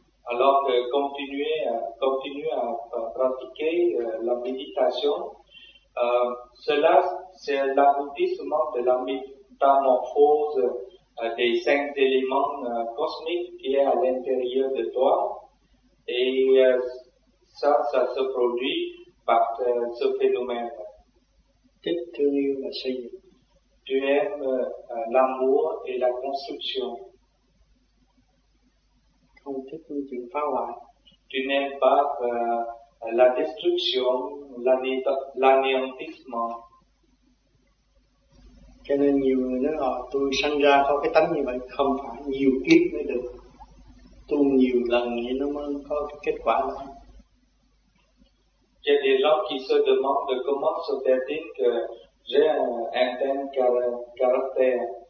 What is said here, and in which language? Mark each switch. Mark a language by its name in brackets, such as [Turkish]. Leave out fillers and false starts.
[French] Alors que continuer à pratiquer la méditation, cela c'est l'aboutissement de la métamorphose des cinq éléments cosmiques qui est à l'intérieur de toi. Et ça se produit par ce phénomène. [Vietnamese] Thích thương yêu và xây dựng. [French] Tu aimes l'amour et la construction. [Vietnamese] Không thích những chuyện phá hoại. [French] Tu n'aimes pas la destruction, l'anéantissement. [Vietnamese] Cho nên nhiều người nói là tôi sinh ra có cái tánh như vậy, không phải nhiều kiếp mới được. Tu nhiều lần thì nó mới có cái kết quả đó. [French] Il y a des gens qui se demandent comment se fait-il que j'ai un tel caractère.